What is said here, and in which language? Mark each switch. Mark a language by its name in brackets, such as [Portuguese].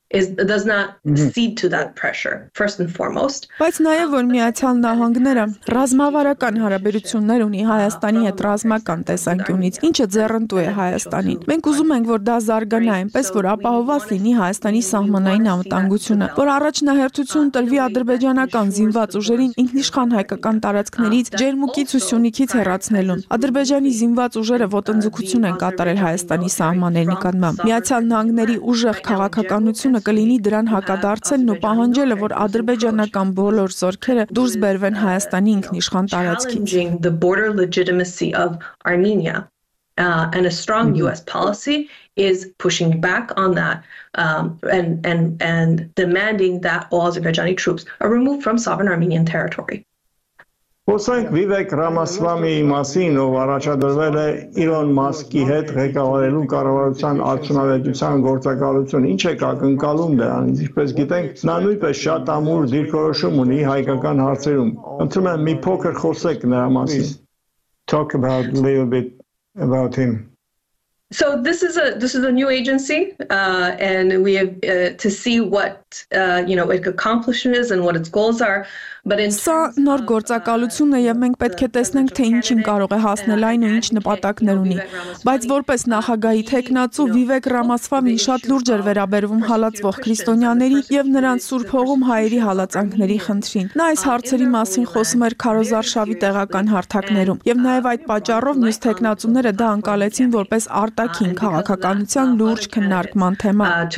[English] does not cede to that pressure first and foremost. [Armenian] Բայց նաև որ Միացյալ Նահանգները ռազմավարական հարաբերություններ ունի Հայաստանի հետ ռազմական տեսանկյունից, ինչը ձեռնտու է Հայաստանին։ Մենք ուզում ենք, որ դա զարգանա, այնպես որ ապահովված լինի Հայաստանի սահմանային անվտանգությունը, որ առաջնահերթություն տրվի ադրբեջանական զինված ուժերին ինքնիշխան հայկական տարածքներից Ջերմուկից ու Սյունիքից հեռացնելուն։ Ադրբեջանի զինված ուժերը ոտնձգություն են կատարել Հայաստանի սահմանների կանգնամ։ Միացյալ Նահանգների ուժեղ քաղաքականությունը կլինի դրան հակադարձելն ու պահանջելը, որ ադրբեջանական բոլոր զորքերը դուրս բերվեն Հայաստանի ինքնիշխան տարածքից։ [English] And a strong US policy is pushing back on that and demanding that all Azerbaijani troops are removed from sovereign Armenian territory. [Armenian] Ոսենք Վիվեկ Ռամասվամիի մասին, ով առաջադրվել է Իլոն Մասկի հետ ղեկավարելու կառավարության արդյունավետության գործակալություն, ինչ է ակնկալում դրանից, ինչպես գիտենք, նա նույնպես շատ ամուր դիրքորոշում ունի հայկական հարցերում. Ընդունում եմ, մի փոքր խոսեք նրա մասին. [English] Talk about a little bit about him. So this is a new agency and we have to see what you know its accomplishments and what its goals are, but in [Armenian] Սա նոր գործակալությունն է եւ մենք պետք է տեսնենք թե ինչին կարող է հասնել այն ու ինչ նպատակներ ունի, բայց որպես նախագահի թեկնածու Վիվեկ Ռամասվամին շատ լուրջ էր վերաբերվում հալածվող քրիստոնյաների եւ նրանց սուրբ հողում հայերի հալածանքների խնդրին։ Նա այս հարցերի մասին խոսում էր Քարոզարշավի տեղական հարթակներում եւ նաեւ այդ պատճառով մյուս թեկնածուները դա անկալեցին որպես արտաքին քաղաքականության լուրջ քննարկման թեմա։